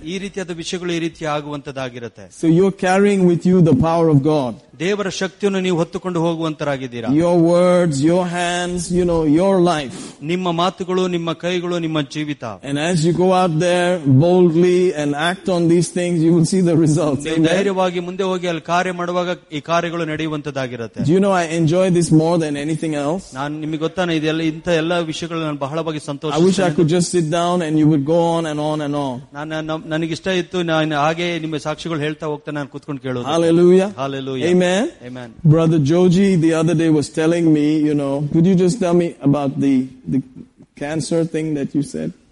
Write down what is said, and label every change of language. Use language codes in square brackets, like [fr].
[kn] ಈ ರೀತಿಯಾದ ವಿಷಯಗಳು ಈ ರೀತಿ ಆಗುವಂತದ್ದಾಗಿರುತ್ತೆ. [en] So you're carrying with you the power of God. [kn] ದೇವರ ಶಕ್ತಿಯನ್ನು ನೀವು ಹೊತ್ತುಕೊಂಡು ಹೋಗುವಂತರಾಗಿದ್ದೀರಾ. [en] Your words, your hands, you know, your life. [kn] ನಿಮ್ಮ ಮಾತುಗಳು, ನಿಮ್ಮ ಕೈಗಳು, ನಿಮ್ಮ ಜೀವಿತ. [en] And as you go out there boldly and act on these things, you will see the results. [kn] ನೀವು ಧೈರ್ಯವಾಗಿ ಮುಂದೆ ಹೋಗಿ ಅಲ್ಲಿ ಕಾರ್ಯ ಮಾಡುವಾಗ ಈ ಕಾರ್ಯಗಳು ನಡೆಯುವಂತದ್ದಾಗಿರುತ್ತೆ. [en] Do you know, I enjoy this more than anything else. [kn] ನಾನು ನಿಮಗೆ ಗೊತ್ತಾನೆ, ಇದೆಲ್ಲ ಇಂತ ಎಲ್ಲ ವಿಷಯಗಳು ನಾನು ಬಹಳವಾಗಿ ಸಂತೋಷ. [en] I wish I could just sit down and you would go on and on and on. [kn] ನನಗೆ ಇಷ್ಟ ಇತ್ತು ನಾನು ಹಾಗೆ ನಿಮ್ಮ ಸಾಕ್ಷಿಗಳು ಹೇಳ್ತಾ ಹೋಗ್ತಾ ನಾನು ಕೂತ್ಕೊಂಡು ಕೇಳೋದು. [en] Hallelujah. Hallelujah. Amen. Amen. Brother Joji the other day was telling me, you know, could you just tell me about the cancer thing that you said?